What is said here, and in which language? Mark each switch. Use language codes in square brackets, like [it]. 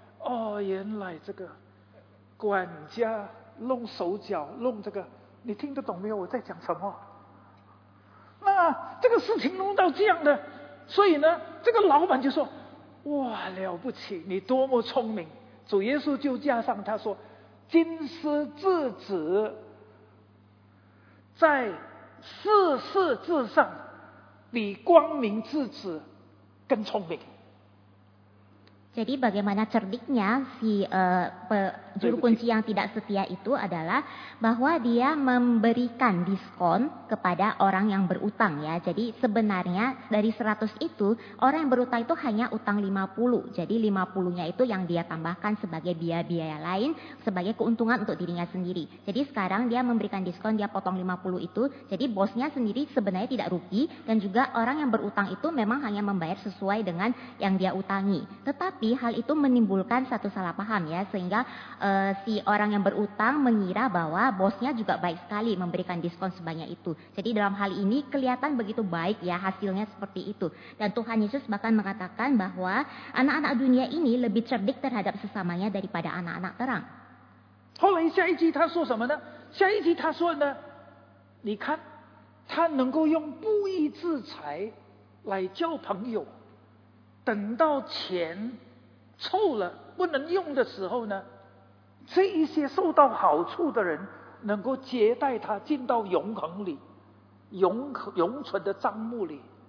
[zh] 你这个管家多好，然后呢，他也误会，我讲误会，这个债主呢，在欠债的人呢，以为这个是经过老板的同意，所以他见到老板的时候也跟老板称赞说，哇，有这么好的老板，这次给我们大减价，我们真的很轻松。后来老板才知道，哦，原来这个管家 弄手脚，弄这个，你听得懂没有我在讲什么？那这个事情弄到这样的，所以呢，这个老板就说：“哇，了不起，你多么聪明！”主耶稣就加上他说：“今世之子，在世事之上，比光明之子更聪明。” [id] Jadi bagaimana cerdiknya si juru kunci yang tidak setia itu adalah bahwa dia memberikan diskon kepada orang yang berutang ya. Jadi sebenarnya dari 100 itu, orang yang berutang itu hanya utang 50. Jadi 50-nya itu yang dia tambahkan sebagai biaya-biaya lain, sebagai keuntungan untuk dirinya sendiri. Jadi sekarang dia memberikan diskon, dia potong 50 itu. Jadi bosnya sendiri sebenarnya tidak rugi, dan juga orang yang berutang itu memang hanya membayar sesuai dengan yang dia utangi. Tetapi hal itu menimbulkan satu salah paham ya, sehingga si orang yang berutang mengira bahwa bosnya juga baik sekali memberikan diskon sebanyak itu. Jadi dalam hal ini kelihatan begitu baik ya hasilnya seperti itu. Dan Tuhan Yesus bahkan mengatakan bahwa anak-anak dunia ini lebih cerdik terhadap sesamanya daripada anak-anak terang. [zh] 后来下一集他说什么呢?下一集他说呢, 你看, 他能够用不义之财来交朋友, 等到钱凑了不能用的时候呢, 这一些受到好处的人能够接待他进到永恒里, 永存的帐幕里。